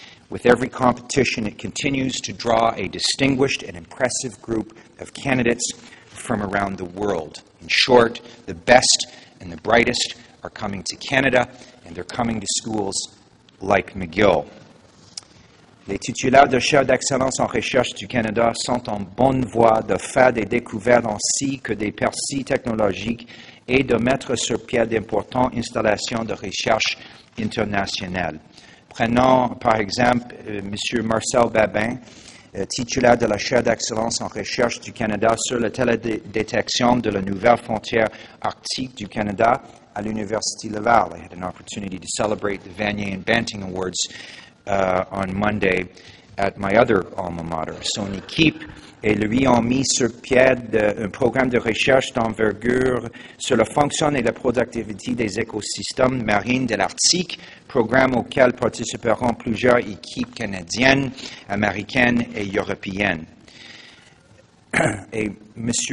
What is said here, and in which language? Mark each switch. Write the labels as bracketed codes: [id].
[en] With every competition, it continues to draw a distinguished and impressive group of candidates from around the world. In short, the best and the brightest are coming to Canada, and they're coming to schools like McGill. [fr] Les titulaires de chaires d'excellence en recherche du Canada sont en bonne voie de faire des découvertes ainsi que des percées technologiques et de mettre sur pied d'importantes installations de recherche internationales. Prenons par exemple M. Marcel Babin, titulaire de la chaire d'excellence en recherche du Canada sur la télédétection de la nouvelle frontière arctique du Canada à l'Université Laval. [en] I had an opportunity to celebrate the Vanier and Banting Awards on Monday at my other alma mater. [fr] Son équipe et lui ont mis sur pied un programme de recherche d'envergure sur la fonction et la productivité des écosystèmes marins de l'Arctique, programme auquel participeront plusieurs équipes canadiennes, américaines et européennes. Et M.